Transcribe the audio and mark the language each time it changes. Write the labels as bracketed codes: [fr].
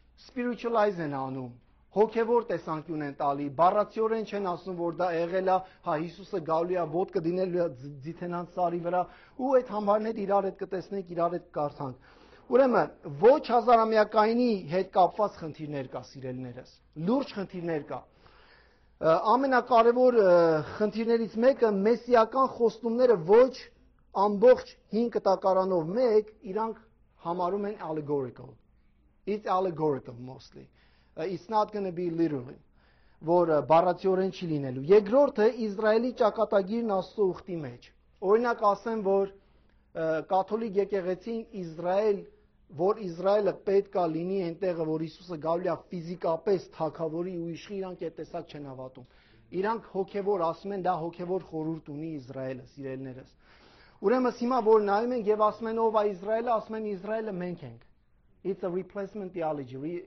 [hy] spiritualize են անում, հոգևոր տեսանկյուն են տալի, բառացիորեն չեն ասում, որ դա եղել է, հա Հիսուսը գալու է, ոտքը դինելու է ձիթենած սարի վրա, ու այդ համարներ իրար հետ կտեսնենք, իրար հետ կարդանք։ Ուրեմն ոչ հազարամյակայինի հետ կապված խնդիրներ կա, սիրելներս, լուրջ խնդիրներ կա։ Ամենակարևոր խնդիրներից մեկը մեսիական խոստումները ոչ ամբողջ 5 կտակարանով մեկ իրանք համարում են allegorical. [en] It's allegorical mostly. It's not going to be literally. [hy] Որ բառացիորեն չի լինելու։ Երկրորդը Իսրայելի ճակատագիրն Աստծո ուխտի մեջ։ Օրինակ ասեմ, որ կաթոլիկ եկեղեցին Իսրայել, որ Իսրայելը պետքա լինի այնտեղը, որ Հիսուսը գալու է ֆիզիկապես թագավորի ու իշխի, իրանք այդ տեսակ չեն հավատում։ Իրանք հոգևոր ասում են, դա հոգևոր խորհուրդ ունի Իսրայելը, սիրելիներս։ Ուրեմն հիմա որ նայում ենք եւ ասում են ով է Իսրայելը, ասում են Իսրայելը մենք ենք։ [en] It's a replacement theology.